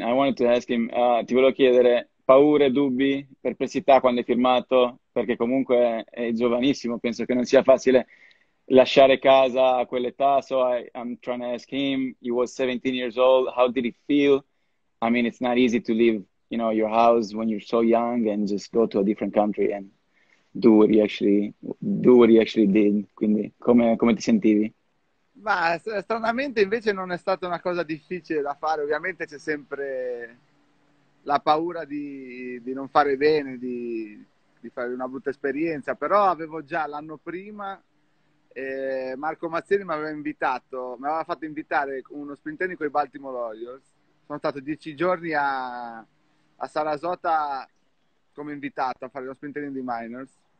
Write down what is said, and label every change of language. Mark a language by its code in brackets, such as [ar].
[en] I wanted to ask him, [it] ti volevo chiedere, paure, dubbi, perplessità quando hai firmato, perché comunque è giovanissimo, penso che non sia facile lasciare casa a quell'età. [en] So I'm trying to ask him, he was 17 years old, how did he feel? I mean, it's not easy to leave, you know, your house when you're so young and just go to a different country and do what he actually did. [it] Quindi come ti sentivi? Ma stranamente invece non è stata una cosa difficile da fare, ovviamente c'è sempre la paura di non fare bene, di fare una brutta esperienza, però avevo già l'anno prima, Marco Mazzieri mi aveva fatto invitare uno sprint training con i Baltimore Orioles, sono stato 10 giorni a Sarasota come invitato a fare lo sprint training di minors.